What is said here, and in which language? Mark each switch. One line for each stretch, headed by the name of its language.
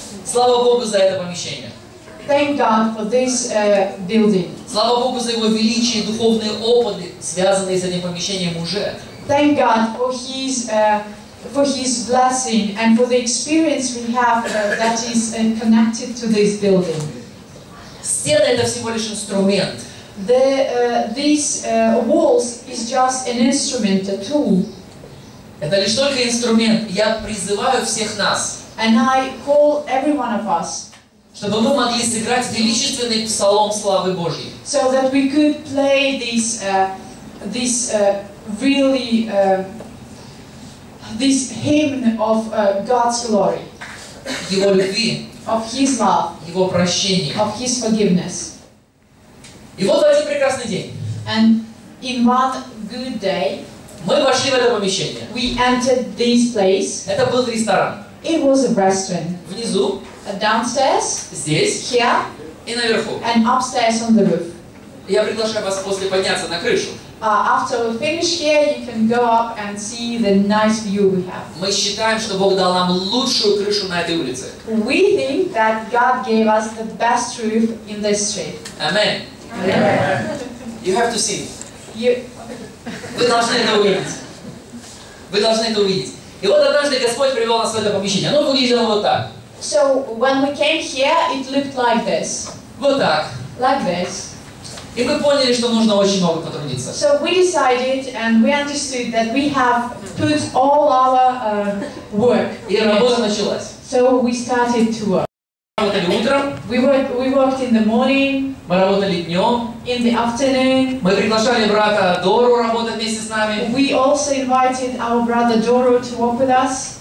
Russian: Слава Богу за это помещение.
English: Thank God for this building.
Russian: Слава Богу за его величие и духовные опыты, связанные с этим помещением уже.
English: Thank God for His blessing and for the experience we have that is connected to this building.
Russian: Стены — это всего лишь инструмент.
English: These walls is just an instrument, a tool.
Russian: Это лишь только инструмент. Я призываю всех нас.
English: And I call every one of us.
Russian: Чтобы мы могли сыграть величественный псалом славы Божьей.
English: So that we could play this this really this hymn of God's glory.
Russian: Его любви.
English: Of His love.
Russian: Его прощения.
English: Of His forgiveness.
Russian: И вот в один прекрасный день.
English: And in one good day.
Russian: Мы вошли в это помещение.
English: We entered this place.
Russian: Это был ресторан.
English: It was a restaurant.
Russian: Внизу.
English: Downstairs.
Russian: Здесь.
English: Here.
Russian: И наверху.
English: And upstairs on the roof.
Russian: Я приглашаю вас после подняться на крышу.
English: After we finish here, you can go up and see the nice view we have.
Russian: Мы считаем, что Бог дал нам лучшую крышу на этой улице.
English: We think that God gave us the best roof in this street. Amen. Amen. You have to see. You.
Russian: Вы должны это увидеть. Вы должны это увидеть. И вот однажды Господь привел нас в это помещение. Оно выглядело вот так.
English: So when we came here, it looked like this.
Russian: Вот так.
English: Like this.
Russian: И мы поняли, что нужно очень много потрудиться.
English: So we decided and we understood that we have put all our work.
Russian: И работа началась.
English: So we started to work.
Russian: Мы работали утром.
English: We worked in the morning.
Russian: Мы работали днем.
English: In the afternoon.
Russian: Мы приглашали брата Дору работать вместе с нами.
English: We also invited our brother Doro to work with us.